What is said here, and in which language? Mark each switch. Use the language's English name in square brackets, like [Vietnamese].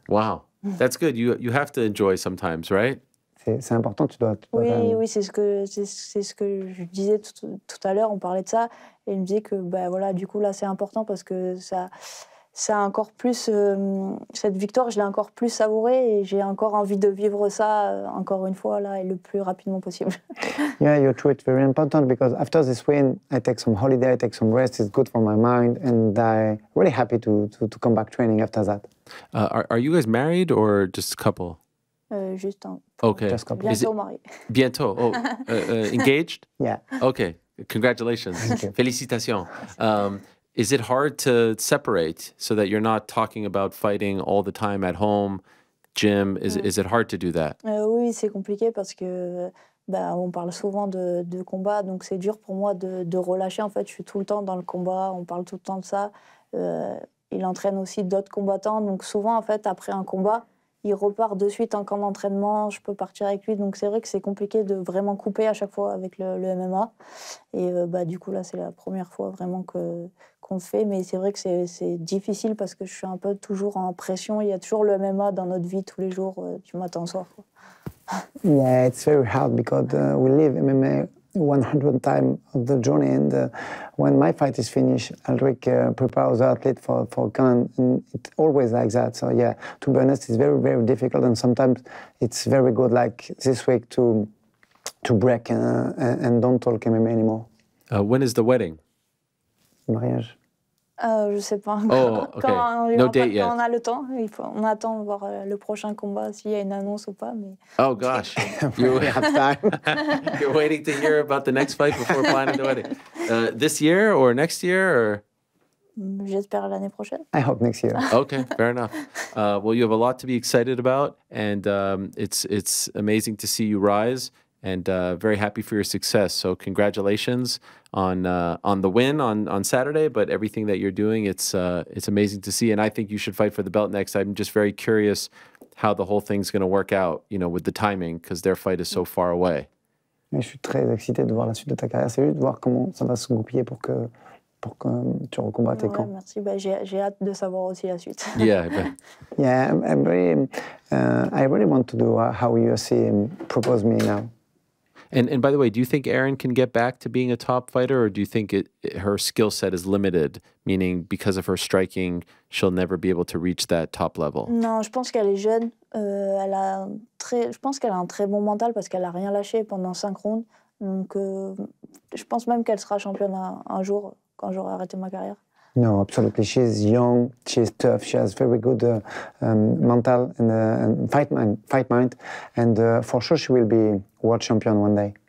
[English] Wow, that's good. You have to enjoy sometimes, right? [French] C'est important, tu dois Oui, c'est ce que je disais tout à l'heure, on parlait de ça, et il me disait que voilà, du coup là c'est important parce que ça a encore plus cette victoire, je l'ai encore plus savourée et j'ai encore envie de vivre ça encore une fois là et le plus rapidement possible. [English] Yeah, you're true. It's very important because after this win, I take some holiday, I take some rest. It's good for my mind, and I'm really happy to come back training after that. Are you guys married or just a couple? [French] Juste un. [English] Okay. Just couple. [French] Bientôt marié. Bientôt. [English] Oh, engaged? Yeah. Okay. Congratulations. Thank you. [French] Félicitations. [English] Is it hard to separate so that you're not talking about fighting all the time at home, gym? Is it hard to do that? [French] Oui, c'est compliqué parce que on parle souvent de combat, donc c'est dur pour moi de relâcher. En fait, je suis tout le temps dans le combat, on parle tout le temps de ça. Il entraîne aussi d'autres combattants, donc souvent, en fait, après un combat, il repart de suite en camp d'entraînement, je peux partir avec lui. Donc c'est vrai que c'est compliqué de vraiment couper à chaque fois avec le MMA. Et du coup, là, c'est la première fois vraiment qu'on fait. Mais c'est vrai que c'est difficile parce que je suis un peu toujours en pression. Il y a toujours le MMA dans notre vie tous les jours, du matin au soir. [English] Yeah, it's very hard because we live MMA 100 time of the journey, and when my fight is finished, Aldric prepares the athlete for gun, and it's always like that. So yeah, to be honest, it's very, very difficult, and sometimes it's very good, like this week, to break and don't talk MMA anymore. When is the wedding? [French] Mariage. Je sais pas encore. [English] Oh, okay. [French] Quand on a le temps, on attend de voir le prochain combat, s'il y a une annonce ou pas. Mais... [English] Oh gosh, you have time. You're waiting to hear about the next fight before planning the wedding. This year or next year? Or... [French] J'espère l'année prochaine. [English] I hope next year. Okay, fair enough. Well, you have a lot to be excited about, and it's amazing to see you rise. And very happy for your success. So congratulations on the win on Saturday. But everything that you're doing, it's amazing to see. And I think you should fight for the belt next. I'm just very curious how the whole thing's going to work out, you know, with the timing, because their fight is so far away. [French] Mais je suis très excité de voir la suite de ta carrière. C'est juste de voir comment ça va se goupiller pour que tu recombattes ouais, quand. Bah, j'ai hâte de savoir aussi la suite. [English] Yeah. Yeah. I really want to do how UFC proposed me now. And by the way, do you think Erin can get back to being a top fighter, or do you think her skill set is limited, meaning because of her striking, she'll never be able to reach that top level? [French] Non, je pense qu'elle est jeune. Je pense qu'elle a un très bon mental parce qu'elle a rien lâché pendant 5 rounds. Donc, je pense même qu'elle sera championne un jour quand j'aurai arrêté ma carrière. [English] No, absolutely. She's young. She's tough. She has very good mental and fight mind. And for sure, she will be world champion one day.